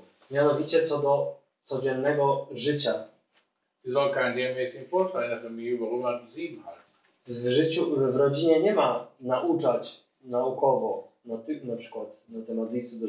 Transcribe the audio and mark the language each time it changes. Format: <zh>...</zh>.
<pl>Mianowicie co do codziennego życia.</pl> <de>Sie soll keinen dermäßigen Vortrag in der Familie über Römer 7 halten.</de> <pl>W rodzinie nie ma nauczać naukowo na przykład na temat listu do</pl>